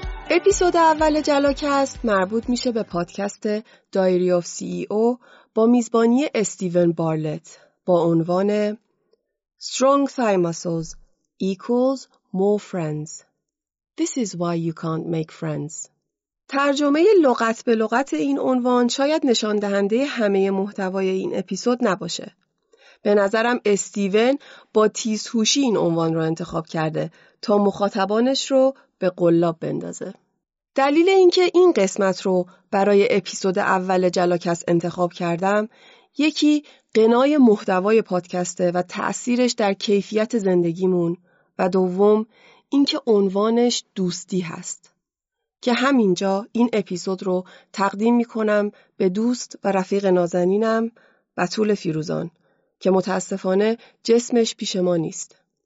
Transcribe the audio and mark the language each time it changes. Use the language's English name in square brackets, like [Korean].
[Persian] اپیزود اول جلاکست مربوط میشه به پادکست دایری آف سی ای او با میزبانی استیون بارلت با عنوان [English] Strong thigh muscles equals more friends. This is why you can't make friends. [Persian] ترجمه لغت به لغت این عنوان شاید نشان دهنده همه محتوای این اپیزود نباشه. به نظرم استیون با تیزهوشی این عنوان رو انتخاب کرده تا مخاطبانش رو به قلاب بندازه. دلیل اینکه این قسمت رو برای اپیزود اول جلاکست انتخاب کردم، یکی غنای محتوای پادکسته و تأثیرش در کیفیت زندگیمون و دوم اینکه عنوانش دوستی هست، که همینجا این اپیزود رو تقدیم میکنم به دوست و رفیق نازنینم بتول فیروزان که متاسفانه جسمش پیش ما نیست.